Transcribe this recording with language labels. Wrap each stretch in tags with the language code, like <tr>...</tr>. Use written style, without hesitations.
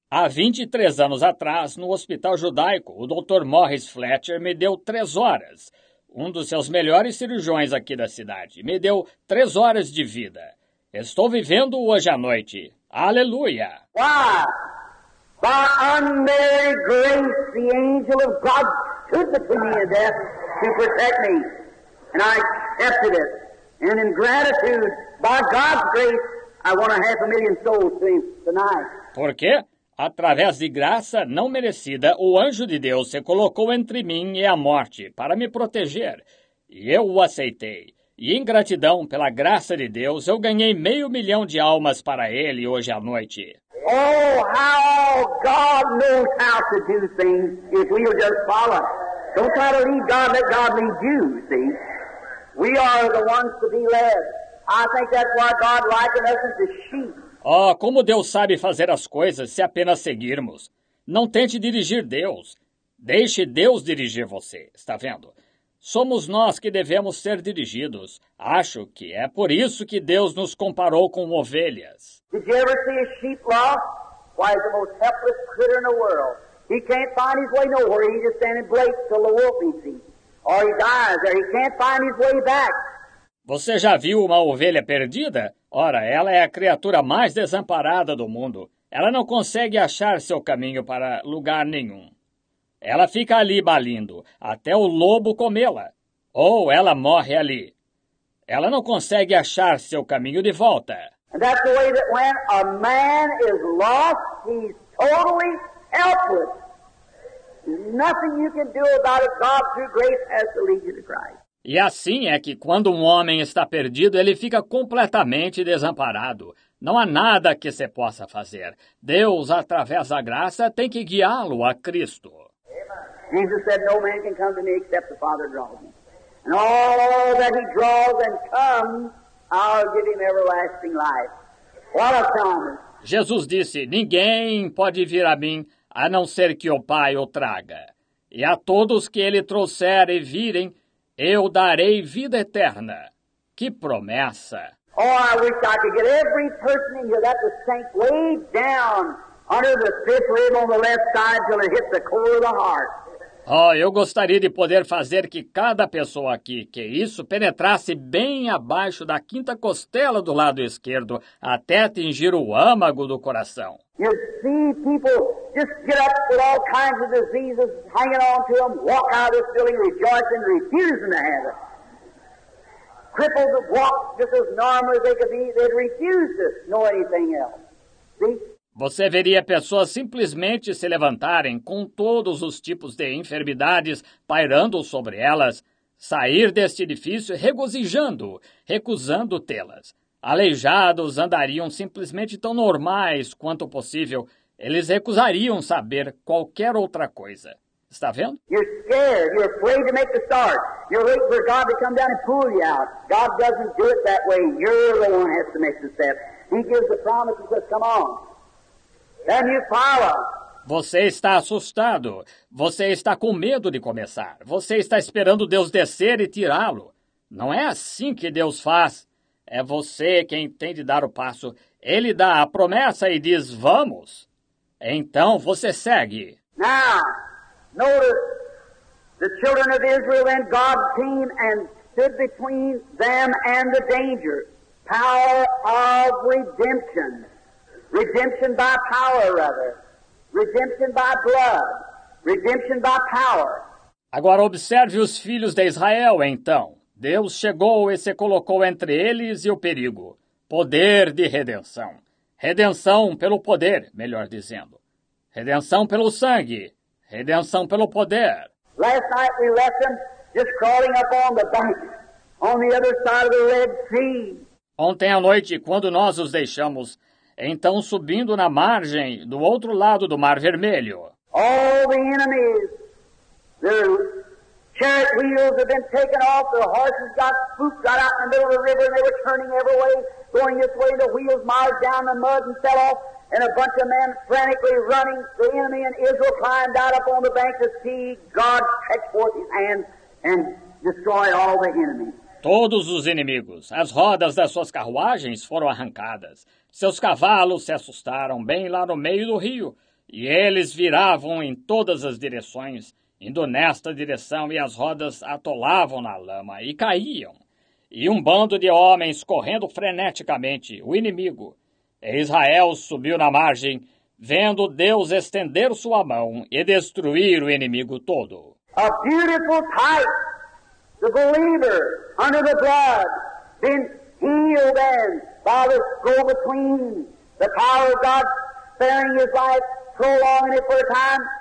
<pt>Há 23 anos atrás, no hospital judaico, o Dr. Morris Fletcher me deu 3 horas. Um dos seus melhores cirurgiões aqui da cidade. Me deu 3 horas de vida. Estou vivendo hoje à noite. Aleluia!</pt> <en>Why? By unmerited grace, the angel of God stood between me and death to protect me. And I accepted it. And in gratitude, by God's grace, I won a 500,000 souls tonight.</en> <pt>Por quê? Através de graça não merecida, o anjo de Deus se colocou entre mim e a morte para me proteger. E eu o aceitei. E em gratidão pela graça de Deus, eu ganhei 500,000 de almas para ele hoje à noite.</pt> <en>Oh, how God knows how to do things if we will just follow. Don't try to lead God, let God lead you, see. We are the ones to be led. I think that's why God likened us as sheep.</en> <pt>Oh, como Deus sabe fazer as coisas se apenas seguirmos. Não tente dirigir Deus. Deixe Deus dirigir você, está vendo? Somos nós que devemos ser dirigidos. Acho que é por isso que Deus nos comparou com ovelhas.</pt> <en>Did you ever see a sheep lost? Why, he's the most helpless critter in the world. He can't find his way nowhere. He's just standing blake till the wolf eats him. Or he dies there. He can't find his way back.</en> <pt>Você já viu uma ovelha perdida? Ora, ela é a criatura mais desamparada do mundo. Ela não consegue achar seu caminho para lugar nenhum. Ela fica ali balindo, até o lobo comê-la. Ou ela morre ali. Ela não consegue achar seu caminho de volta.</pt> <en>And that's the way that when a man is lost, he's totally helpless. Nothing you can do about it. God, through grace, has to lead you to Christ.</en> <pt>E assim é que quando um homem está perdido, ele fica completamente desamparado. Não há nada que se possa fazer. Deus, através da graça, tem que guiá-lo a Cristo.</pt> <en>Jesus said, no man can come to me except the Father draws me. And all that he draws and comes, I'll give him everlasting life. What a promise.</en> <pt>Jesus disse, ninguém pode vir a mim a não ser que o Pai o traga. E a todos que ele trouxer e virem, eu darei vida eterna. Que promessa!</pt> <en>Oh, I wish I could get every person in here that was sank way down under the fifth rib on the left side till it hit the core of the heart.</en> <pt>Oh, eu gostaria de poder fazer que cada pessoa aqui que isso penetrasse bem abaixo da quinta costela do lado esquerdo, até atingir o âmago do coração.</pt> <en>You see people just get up with all kinds of diseases hanging on to them, walk out of this building rejoicing, refusing to have it. Crippled to walk just as normal as they could be, they'd refuse to know anything else. See?</en> <pt>Você veria pessoas simplesmente se levantarem com todos os tipos de enfermidades pairando sobre elas, sair deste edifício regozijando, recusando tê-las. Aleijados andariam simplesmente tão normais quanto possível. Eles recusariam saber qualquer outra coisa. Está vendo?</pt> <en>You're scared. You're afraid to make the start. You're waiting for God to come down and pull you out. God doesn't do it that way. You're the one who has to make the step. He gives the promise and says, come on. Then you follow.</en> <pt>Você está assustado. Você está com medo de começar. Você está esperando Deus descer e tirá-lo. Não é assim que Deus faz. É você quem tem de dar o passo. Ele dá a promessa e diz, vamos. Então você segue.</pt> <en>Now, notice the children of Israel and God came and stood between them and the danger. Power of redemption. Redemption by power, rather. Redemption by blood. Redemption by power.</en> <pt>Agora observe os filhos de Israel, então. Deus chegou e se colocou entre eles e o perigo. Poder de redenção. Redenção pelo poder, melhor dizendo. Redenção pelo sangue. Redenção pelo poder.</pt> <en>Last night we left them just crawling up on the bank, on the other side of the Red Sea.</en> <pt>Ontem à noite, quando nós os deixamos, então subindo na margem do outro lado do Mar Vermelho.</pt> <en>All the enemies, the chariot wheels have been taken off, the horses got spooked, got out in the middle of the river, and they were turning every way, going this way, the wheels marred down the mud and fell off, and a bunch of men frantically running, the enemy and Israel climbed out up on the bank to see God stretch forth his hand and destroy all the enemies.</en> <pt>Todos os inimigos, as rodas das suas carruagens foram arrancadas. Seus cavalos se assustaram bem lá no meio do rio. E eles viravam em todas as direções, indo nesta direção, e as rodas atolavam na lama e caíam. E um bando de homens correndo freneticamente, o inimigo. E Israel subiu na margem, vendo Deus estender sua mão e destruir o inimigo todo.</pt> <en>A beautiful type. The believer, under the blood, been healed and by the go-between, the power of God sparing his life, prolonging it for a time.</en>